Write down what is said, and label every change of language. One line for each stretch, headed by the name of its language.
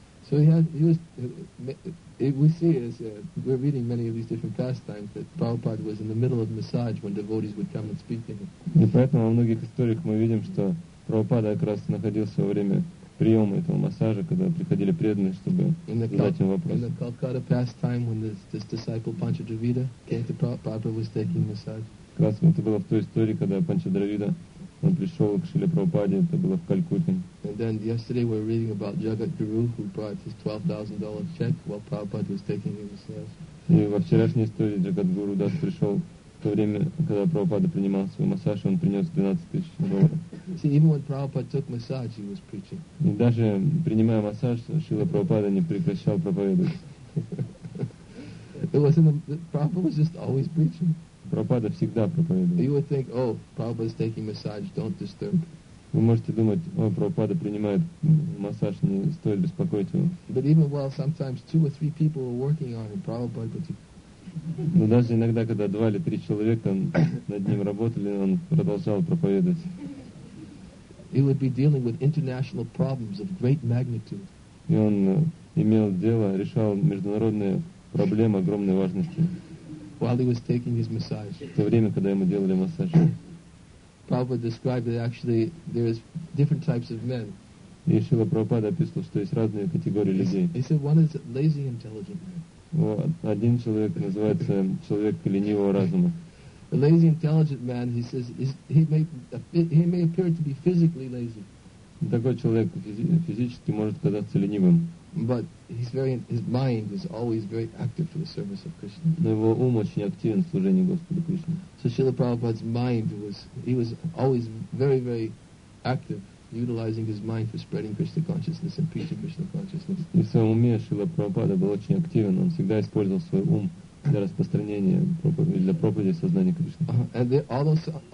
English: So we're reading many of these different pastimes that Prabhupada was in the middle of massage when devotees would come and speak to him.
Russian: И поэтому во многих историях мы видим, что Прабхупада как раз находился во время приема этого массажа, когда приходили преданные, чтобы задать им вопрос.
English: In the Calcutta pastime, when this disciple Pancha Dravida came to Prabhupada, was taking massage.
Russian: Как раз это было в той истории, когда Панча Дравида он пришел к Шриле Прабхупаде, это было в Калькутте.
English: And then yesterday we were reading about Jagatguru, who brought his $12,000 check while Prabhupada was taking his massage.
Russian: И во вчерашней истории Джагатгуру Дас пришел в то время, когда Прабхупада принимал свой массаж, он принес $12,000.
English: See, even when Prabhupada took massage, he was preaching.
Russian: И даже принимая массаж, Шрила Прабхупада не прекращал проповедовать.
English: Prabhupada was just always preaching.
Russian: Прабхупада всегда проповедовал.
English: You would think, oh, Prabhupada's taking massage, don't disturb.
Russian: Вы можете думать, о, Прабхупада принимает массаж, не стоит беспокоить его.
English: But even while sometimes two or three people were working on him, Prabhupada would.
Russian: Но даже иногда, когда два или три человека над ним работали, он продолжал проповедовать.
English: He would be dealing with international problems of great magnitude.
Russian: И он имел дело, решал международные проблемы огромной важности.
English: While he was taking his massage.
Russian: В то время, когда ему делали массаж.
English: Prabhupada described that actually there is different types of men.
Russian: И Шрила Прабхупада описывал, что есть разные категории людей.
English: He said one is lazy intelligent man.
Russian: Вот, один человек называется человек ленивого разума.
English: A lazy intelligent man, he says, he may appear to be physically lazy.
Russian: Такой человек физически может казаться ленивым.
English: But his mind is always very active for the service of Krishna.
Russian: Но его ум очень активен в служении Господу Кришне.
English: So Srila Prabhupada's mind was always very, very active, utilizing his mind for spreading Krishna consciousness and preaching Krishna consciousness.
Russian: И в своем уме Шрила Прабхупада был очень активен. Он всегда использовал свой ум для распространения проповеди, для проповеди сознания Кришны.